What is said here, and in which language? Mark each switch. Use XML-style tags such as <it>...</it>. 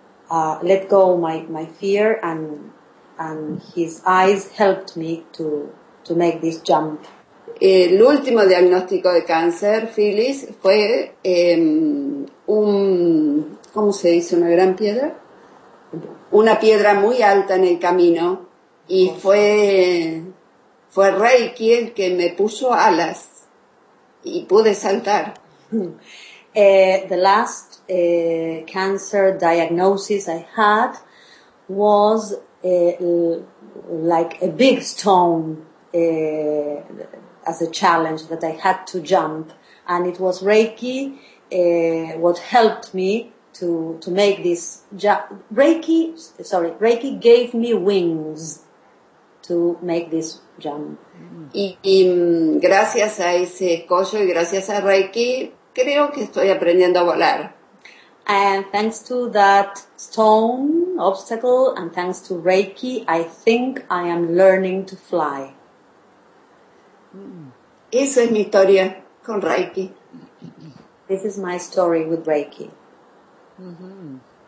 <en>Let go my fear, and his eyes helped me to make this jump.</en> <es>El último diagnóstico de cáncer, Phyllis, fue ¿cómo se dice? ¿Una gran piedra? Una piedra muy alta en el camino, y fue Reiki el que me puso alas y pude saltar.</es> <en>The last cancer diagnosis I had was like a big stone as a challenge that I had to jump, and it was Reiki what helped me to make this jump. Reiki gave me wings to make this jump.</en> <es>Y gracias a ese escollo y gracias a Reiki, creo que estoy aprendiendo a volar.</es> <en>And thanks to that stone obstacle and thanks to Reiki, I think I am learning to fly.</en> <es>Esa es mi historia con Reiki.</es> <en>This is my story with Reiki. Mm-hmm.</en>